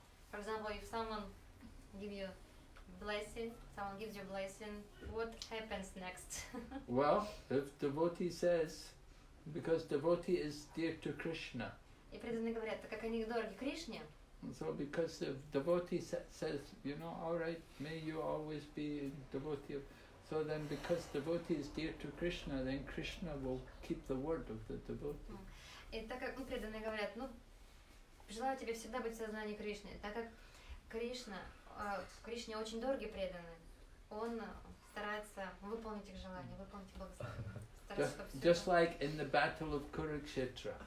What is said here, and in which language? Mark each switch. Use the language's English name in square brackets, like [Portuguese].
[English] For example, if someone give you blessing, someone gives you blessing, what happens next? Well, if devotee says, because devotee is dear to Krishna. [Russian] И преданные говорят, так как они дороги Кришне. [English] So because if devotee says, you know, all right, may you always be devotee of, so then because devotee is dear to Krishna, then Krishna will keep the word of the devotee. [Russian] И так как преданные говорят, ну желаю тебе всегда быть в сознании Кришны, так как Кришна, Кришне очень дороги преданы, он старается выполнить их желание, выполнить благословение. [English] Just like in the battle of Kurukshetra.